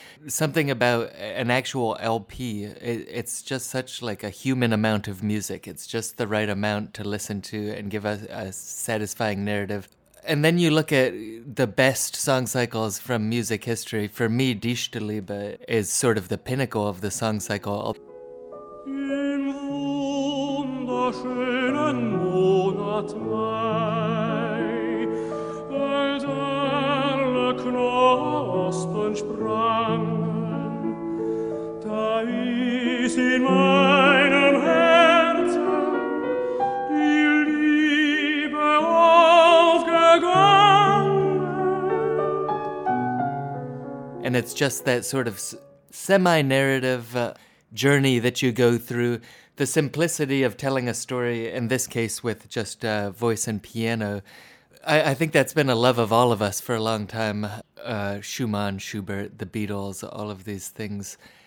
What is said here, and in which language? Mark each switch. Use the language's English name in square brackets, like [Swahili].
[English] Something about an actual LP, it's just such like a human amount of music. It's just the right amount to listen to and give us a satisfying narrative. And then you look at the best song cycles from music history. For me, Die Stillliebe is sort of the pinnacle of the song cycle. [German] In wunderschönen Monat Mai, bald alle Knospen sprangen, da ist in meinem Herzen die Liebe aufgegangen. [English] And it's just that sort of semi-narrative journey that you go through. The simplicity of telling a story, in this case with just voice and piano, I think that's been a love of all of us for a long time. Schumann, Schubert, the Beatles, all of these things.